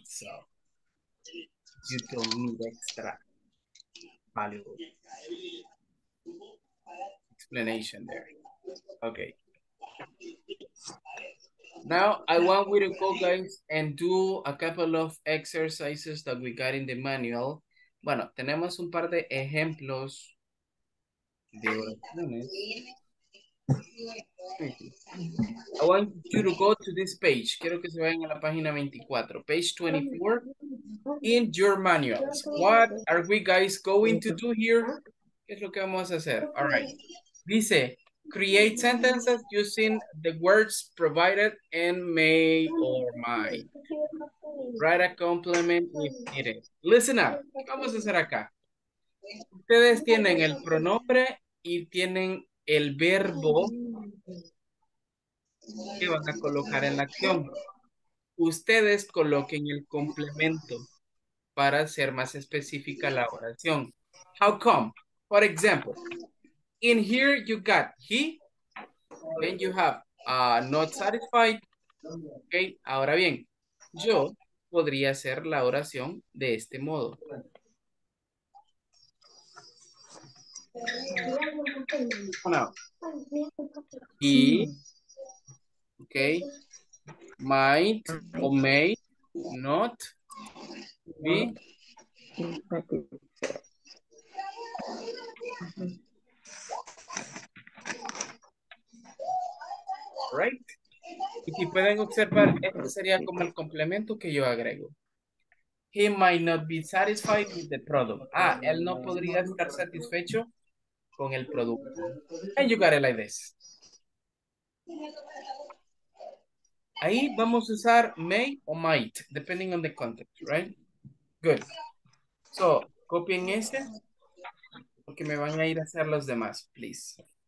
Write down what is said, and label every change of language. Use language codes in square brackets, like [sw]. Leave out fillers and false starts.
[en] So, you don't need extra. Valuable explanation there. Okay. Now I want you to go, guys, and do a couple of exercises that we got in the manual. [es] Bueno, tenemos un par de ejemplos de oraciones. [en] I want you to go to this page. [es] Quiero que se vayan a la página 24, [en] page 24, in your manuals. What are we guys going to do here? [es] ¿Qué es lo que vamos a hacer? [en] All right. Dice, create sentences using the words provided and may or might. Write a compliment if needed. Listen up. [es] ¿Qué vamos a hacer acá? Ustedes tienen el pronombre y tienen el verbo que van a colocar en la acción. Ustedes coloquen el complemento para ser más específica la oración. [en] How come? For example, in here you got he, then you have not satisfied. [es] Okay, ahora bien, yo podría hacer la oración de este modo. [en] He, okay, might or may not be right. [es] Y si pueden observar, este sería como el complemento que yo agrego. [en] He might not be satisfied with the product. [es] Ah, él no podría estar satisfecho con el producto. [en] And you got it like this. [es] Ahí vamos a usar may o might, [en] depending on the context, right? Good. [es] So, copien este, porque me van a ir a hacer los demás, please.